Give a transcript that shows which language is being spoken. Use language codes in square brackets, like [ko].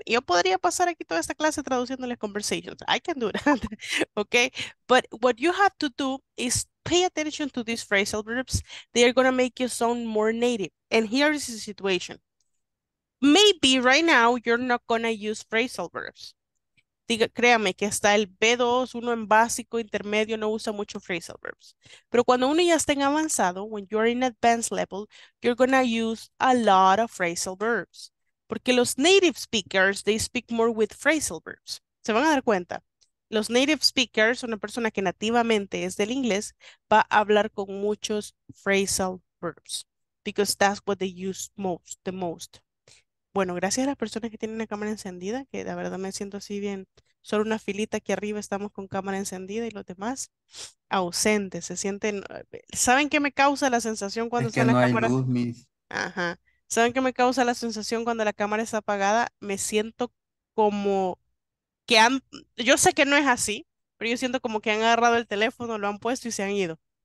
[es] Yo podría pasar aquí toda esta clase traduciendo las conversations. [en] I can do that. Okay. But what you have to do is pay attention to these phrasal verbs. They are going to make you sound more native. And here is the situation. Maybe right now you're not going to use phrasal verbs. [es] Diga, créame que hasta el B2, uno en básico, intermedio, no usa mucho phrasal verbs. Pero cuando uno ya está en avanzado, [en] when you're in advanced level, you're going to use a lot of phrasal verbs. [es] Porque los [en] native speakers, they speak more with phrasal verbs. [es] Se van a dar cuenta. Los native speakers, una persona que nativamente es del inglés, va a hablar con muchos phrasal verbs. [en] Because that's what they use most, the most. [es] Bueno, gracias a las personas que tienen la cámara encendida, que la verdad me siento así bien. Solo una filita aquí arriba, estamos con cámara encendida y los demás ausentes. Se sienten, ¿saben qué me causa la sensación cuando está la cámara? Es que no hay luz, Miss. Ajá. ¿Saben qué me causa la sensación cuando la cámara está apagada? Me siento como que han, yo sé que no es así, pero yo siento como que han agarrado el teléfono, lo han puesto y se han ido.